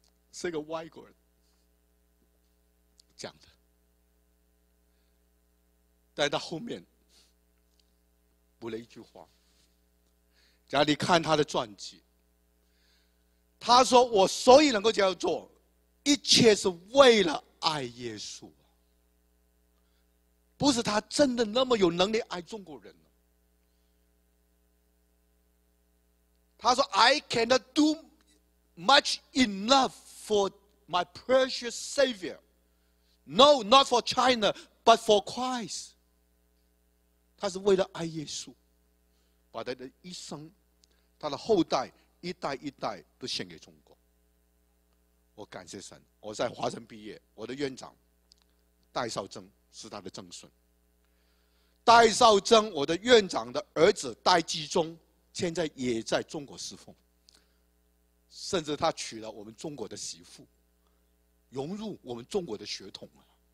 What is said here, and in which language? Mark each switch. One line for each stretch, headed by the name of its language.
Chinese: 是个外国人讲的，但他后面补了一句话，只要你看他的传记，他说：“我所以能够这样做，一切是为了爱耶稣。” 不是他真的那么有能力爱中国人。他说
English: I cannot do much enough for my precious Savior. No, not for China, but for Christ.
Chinese: 他是为了爱耶稣，把他的一生，他的后代，一代一代都献给中国。我感谢神，我在华城毕业，我的院长戴绍征是他的曾孙。戴绍征，我的院长的儿子戴季中，现在也在中国侍奉，甚至他娶了我们中国的媳妇，融入我们中国的血统啊！